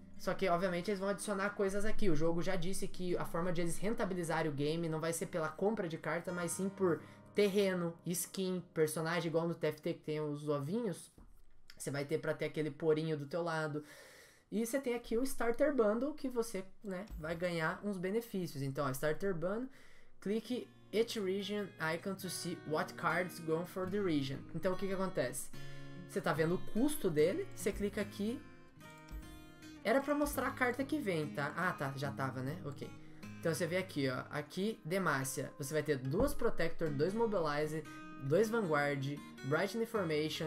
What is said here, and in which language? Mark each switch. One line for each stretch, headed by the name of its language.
Portuguese: Só que, obviamente, eles vão adicionar coisas aqui. O jogo já disse que a forma de eles rentabilizarem o game não vai ser pela compra de carta, mas sim por terreno, skin, personagem, igual no TFT que tem os ovinhos. Você vai ter pra ter aquele porinho do teu lado. E você tem aqui o Starter Bundle, que você, né, vai ganhar uns benefícios. Então, ó,
English: Starter Bundle, clique each region icon to see what cards go for the region.
Portuguese: Então, o que acontece? Você tá vendo o custo dele, você clica aqui. Era pra mostrar a carta que vem, tá? Ah, tá, já tava, né? Ok. Então você vê aqui, ó. Aqui, Demacia. Você vai ter 2 Protector, 2 Mobilize, 2 Vanguard, Brightening Formation.